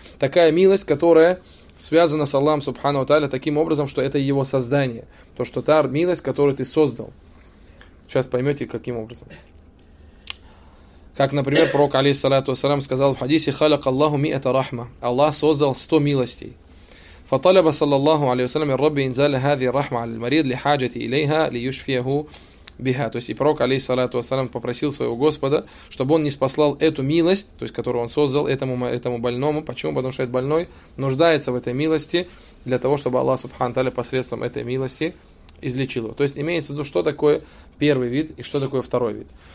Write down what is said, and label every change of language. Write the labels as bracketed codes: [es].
[ru] Такая милость, которая связана с Аллахом Субхану ва Тааля таким образом, что это его создание. То, что та милость, которую ты создал. Сейчас поймете, каким образом. Как, например, пророк, алейхиссалату ассалям, сказал в хадисе [ar] «Халяк Аллаху ми это рахма». [ru] Аллах создал 100 милостей. [ar] فطلب صلى الله عليه وسلم من ربي انزال هذه الرحمه على المريض لحاجته اليها ليشفيه بها. [ru] То есть и пророк алейхи салату вассалам попросил своего Господа, чтобы он ниспослал эту милость, то есть которую он создал этому больному. Почему? Потому что этот больной нуждается в этой милости для того, чтобы Аллах субхана ва тааля посредством этой милости излечил его. То есть имеется в виду, что такое первый вид и что такое второй вид.